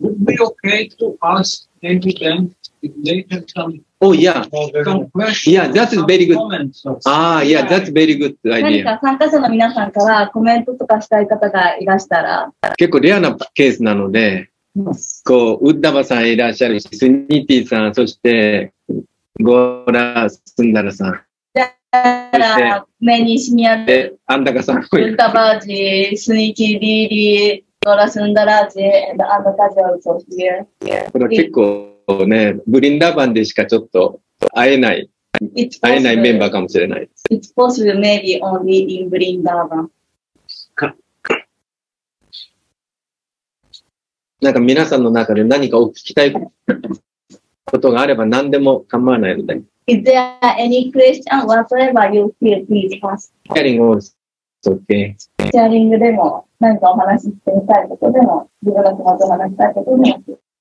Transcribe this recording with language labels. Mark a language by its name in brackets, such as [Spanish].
[English] Would it be okay to ask any of them if they have some? Oh yeah. Some questions. Yeah, that is very good. That's very good idea. [Japanese] 何か参加者の皆さんからコメントとかしたい方がいらしたら。結構レアなケースなので、こうウッダバさんいらっしゃるし、スニーティーさん、そして。ゴーラスンダラさん。じゃあ、メニシニアル。アンダカさん。ウッタバージ、スニーキーディーリー、ゴーラスンダラージ、アンダカジョウソフィエ。これは結構ね、ブリンダーバンでしかちょっと会えない、会えないメンバーかもしれない。 [English] It's possible maybe only in ブリンダーバン。 [Japanese] なんか皆さんの中で何かを聞きたい。ことがあれば何でも構わないので。 [English] Is there any question whatsoever you feel please ask? Sharing also, okay. [Japanese] Sharing でも何かお話ししてみたいことでも、自分のことを話したいことでも。